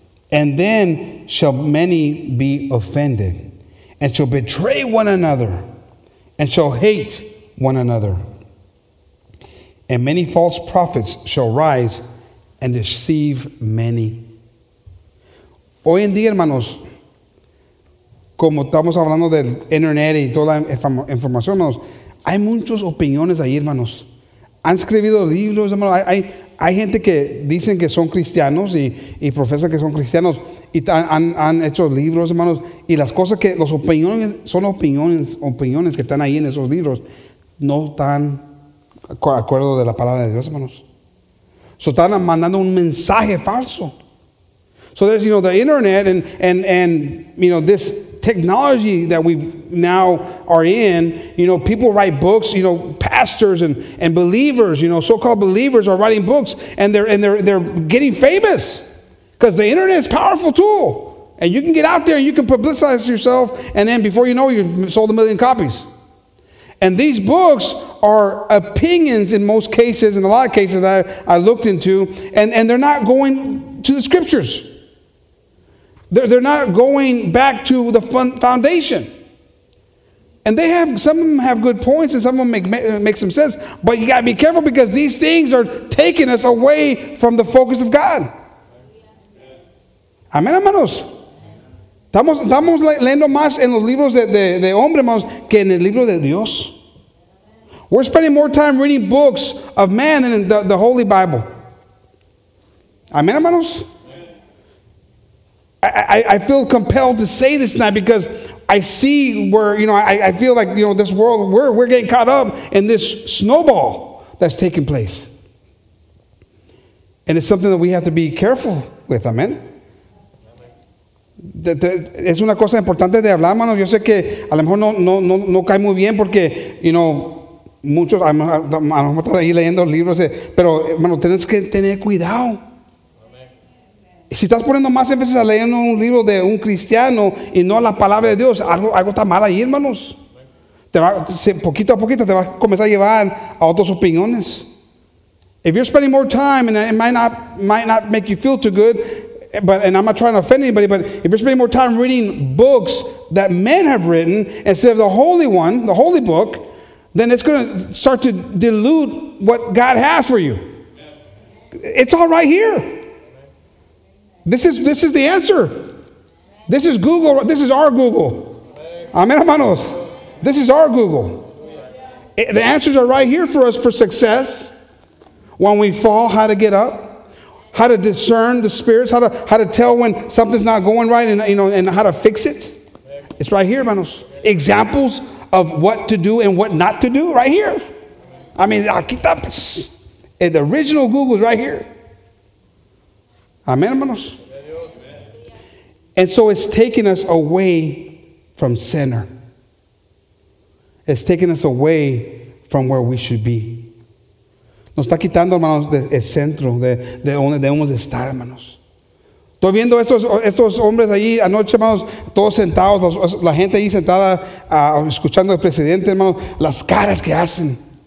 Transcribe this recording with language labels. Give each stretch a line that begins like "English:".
English: And then shall many be offended, and shall betray one another, and shall hate one another. And many false prophets shall rise and deceive many.
Spanish: Hoy en día, hermanos, como estamos hablando del internet y toda la información, hermanos, hay muchas opiniones ahí, hermanos. Han escribido libros, hermanos. Hay gente que dicen que son cristianos y profesan que son cristianos y han hecho libros, hermanos. Y las cosas que, las opiniones, son opiniones que están ahí en esos libros, no están de acuerdo de la palabra de Dios, hermanos. So, están mandando un mensaje falso.
English: So there's, you know, the internet and you know, this technology that we now are in, you know, people write books, you know, pastors and believers, you know, so-called believers are writing books and they're getting famous because the internet is a powerful tool. And you can get out there and you can publicize yourself, and then before you know, you've sold 1 million copies. And these books are opinions in most cases, in a lot of cases that I looked into, and they're not going to the scriptures. They're not going back to the foundation. And they have, some of them have good points and some of them make some sense. But you got to be careful because these things are taking us away from the focus of God.
Spanish: Amén, hermanos. Estamos leyendo más en los libros de hombre, hermanos, que en el libro de Dios.
English: We're spending more time reading books of man than in the Holy Bible.
Spanish: Amén, hermanos.
English: I feel compelled to say this tonight because I see where, you know, I feel like, you know, this world, we're getting caught up in this snowball that's taking place. And it's something that we have to be careful with, amen?
Spanish: Es una cosa importante de hablar, hermanos. Yo sé que a lo mejor no cae muy bien porque,
English: you know,
Spanish: muchos, a lo mejor están ahí leyendo libros, pero, hermano, tienes que tener cuidado. Si estás poniendo más énfasis a leer un libro de un cristiano y no a la palabra de Dios, algo está mal ahí, hermanos. Te va, poquito a poquito te va a comenzar a llevar a otras opiniones.
English: If you're spending more time, and it might not make you feel too good, but, and I'm not trying to offend anybody, but if you're spending more time reading books that men have written instead of the Holy One, the Holy Book, then it's going to start to dilute what God has for you. It's all right here. This is the answer. This is Google. This is our Google. Amen,
Spanish: hermanos.
English: This is our Google. The answers are right here for us for success. When we fall, how to get up? How to discern the spirits? How to tell when something's not going right, and, you know, and how to fix it? It's right here,
Spanish: hermanos.
English: Examples of what to do and what not to do, right here. I mean,
Spanish: aquí está.
English: The original Google is right here. Amen,
Spanish: hermanos.
English: And so it's taking us away from center. It's taking us away from where we should be.
Spanish: Nos está quitando, hermanos, el centro de donde debemos estar, hermanos. Estoy viendo esos hombres allí anoche, hermanos, todos sentados, la gente ahí sentada escuchando al presidente, hermanos, las caras que hacen.